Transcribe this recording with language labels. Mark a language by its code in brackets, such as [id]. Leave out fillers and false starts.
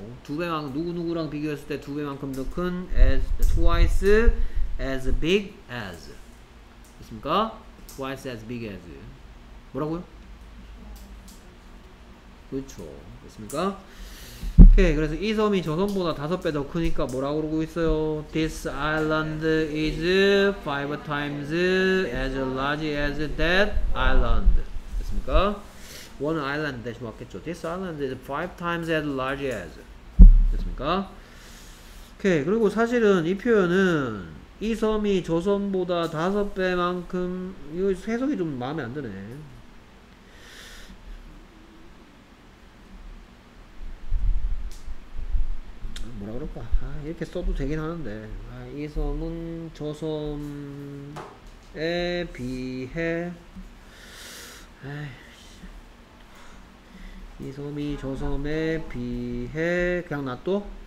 [ko] 두 배만큼, 누구누구랑 비교했을 때 두 배만큼 더 큰 as, [en] twice as big as. [ko] 됐습니까? twice as big as. 뭐라고요? 그렇죠. 됐습니까? 오케이. 그래서 이 섬이 저 섬보다 다섯 배 더 크니까 뭐라고 그러고 있어요? [en] This island is five times as large as that island. [ko] 됐습니까? [en] One island [ko] 대신 왔겠죠. [en] This island is five times as large as. [ko] 됐습니까? 오케이. 그리고 사실은 이 표현은 이 섬이 저 섬보다 다섯 배만큼, 이거 해석이 좀 마음에 안 드네. 뭐라 그럴까? 아, 이렇게 써도 되긴 하는데. 아, 이 섬은 저 섬에 비해, 이 섬이 저 섬에 비해, 그냥 놔둬?